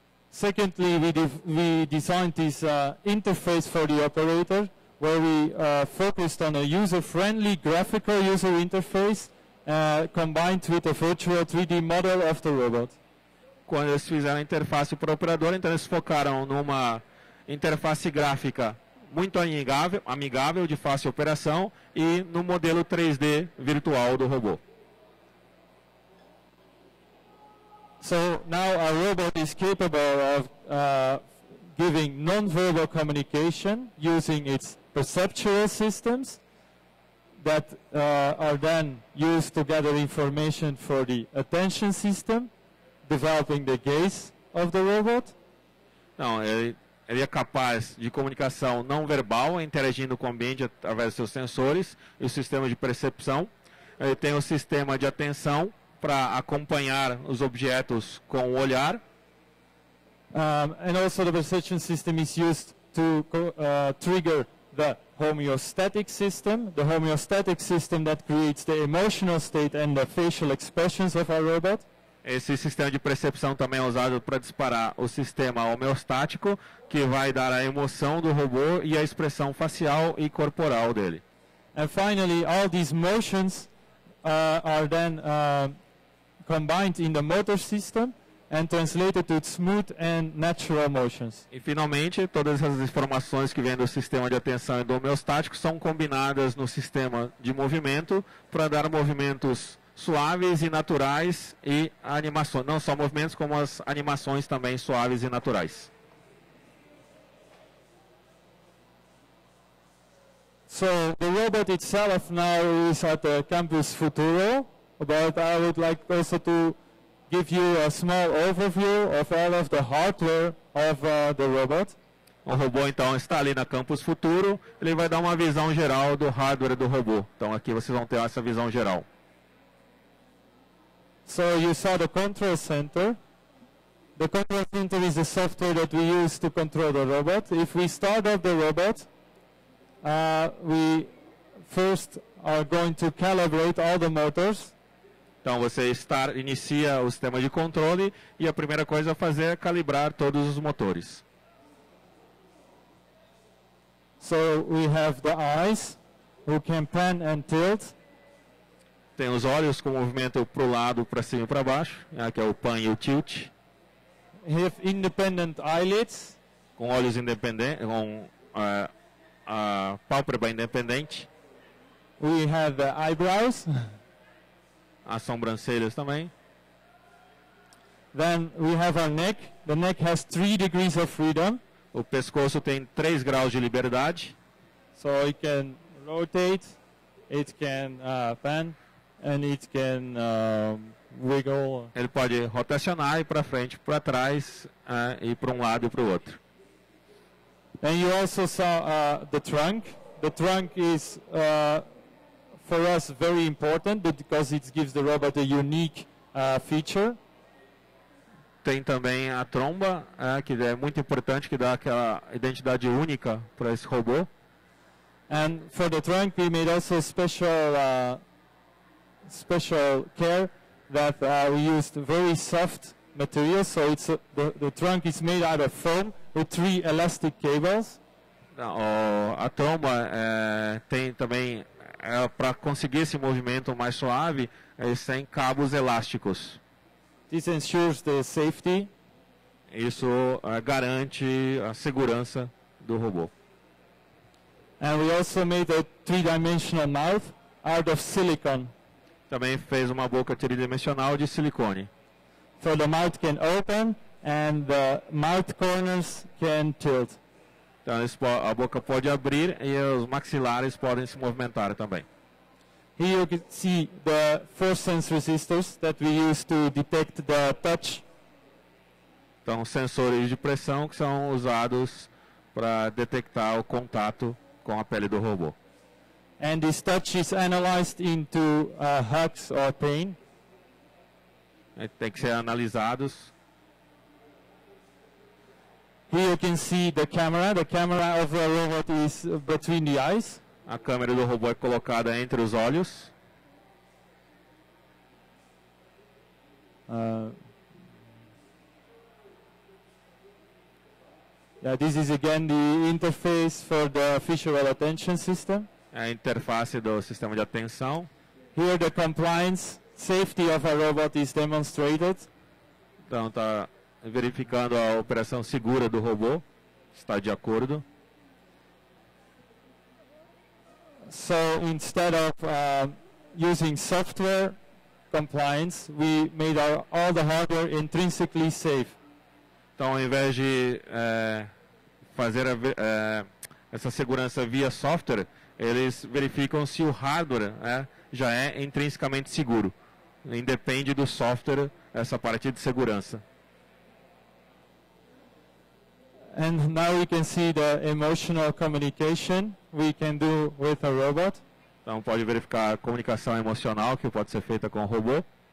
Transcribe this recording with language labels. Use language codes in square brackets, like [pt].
[en] Secondly, we designed this interface for the operator, where we focused on a user-friendly graphical user interface combined with a virtual 3D model of the robot. [pt] Quando eles fizeram a interface para o operador, então eles focaram numa interface gráfica muito amigável, de fácil operação, e no modelo 3D virtual do robô. [en] So now our robot is capable of giving non-verbal communication using its perceptual systems that are then used to gather information for the attention system, developing the gaze of the robot. [pt] Não, ele é capaz de comunicação não verbal, interagindo com o ambiente através dos seus sensores e o sistema de percepção. Ele tem o sistema de atenção para acompanhar os objetos com o olhar. [en] And also the perception system is used to trigger the homeostatic system. The homeostatic system that creates the emotional state and the facial expressions of our robot. [pt] Esse sistema de percepção também é usado para disparar o sistema homeostático, que vai dar a emoção do robô e a expressão facial e corporal dele. [en] And finally, all these motions are then combined in the motor system and translated to smooth and natural motions. [pt] E finalmente, todas as informações que vêm do sistema de atenção e do homeostático são combinadas no sistema de movimento para dar movimentos suaves e naturais e animações, não só movimentos, como as animações também suaves e naturais. [en] So, the robot itself now is at the campus Futuro. But I would like also to give you a small overview of all of the hardware of the robot. [pt] O robô então está ali na Campus Futuro. Ele vai dar uma visão geral do hardware do robô. Então aqui vocês vão ter essa visão geral. [en] So you saw the control center. The control center is the software that we use to control the robot. If we start up the robot, we first are going to calibrate all the motors. [pt] Então você inicia o sistema de controle e a primeira coisa a fazer é calibrar todos os motores. [en] So we have the eyes who can pan and tilt. [pt] Tem os olhos com movimento para o lado, para cima e para baixo, que é o pan e o tilt. [en] We have independent eyelids. [pt] Com olhos independentes, com a pálpebra independente. [en] We have the eyebrows. [pt] As sobrancelhas também. [en] Then we have our neck. The neck has 3 degrees of freedom. [pt] O pescoço tem 3 graus de liberdade. [en] So it can rotate, it can bend, and it can wiggle. [pt] Ele pode rotacionar e para frente, para trás, e para um lado e para o outro. [en] And you also saw the trunk. The trunk is for us very important because it gives the robot a unique feature. [pt] Tem também a tromba, que é muito importante, que dá aquela identidade única para esse robô. [en] And for the trunk we made also special care that we used very soft material, so it's the trunk is made out of foam with 3 elastic cables. [pt] A tromba tem também para conseguir esse movimento mais suave, eles têm cabos elásticos. [en] This ensures the safety. [pt] Isso garante a segurança do robô. [en] And we also made a three-dimensional mouth out of silicone. [pt] Também fez uma boca tridimensional de silicone. [en] So the mouth can open and the mouth corners can tilt. [pt] Então a boca pode abrir e os maxilares podem se movimentar também. [en] Here you can see the force sense resistors that we use to detect the touch. [pt] Então, sensores de pressão que são usados para detectar o contato com a pele do robô. [en] And this touch is analyzed into hugs or pain. [pt] Tem que ser analisados. [en] Here you can see the camera. The camera of the robot is between the eyes. [pt] A câmera do robô é colocada entre os olhos. [en] This is again the interface for the visual attention system. [pt] A interface do sistema de atenção. [en] Here the compliance safety of a robot is demonstrated. [pt] Então está verificando a operação segura do robô. Está de acordo. [en] So instead of using software compliance, we made all the hardware intrinsically safe. [pt] Então, ao invés de fazer essa segurança via software, eles verificam se o hardware já é intrinsecamente seguro. Independe do software essa parte de segurança. [en] And now we can see the emotional communication we can do with a robot. [pt] Então pode verificar a comunicação emocional que pode ser feita com o robô.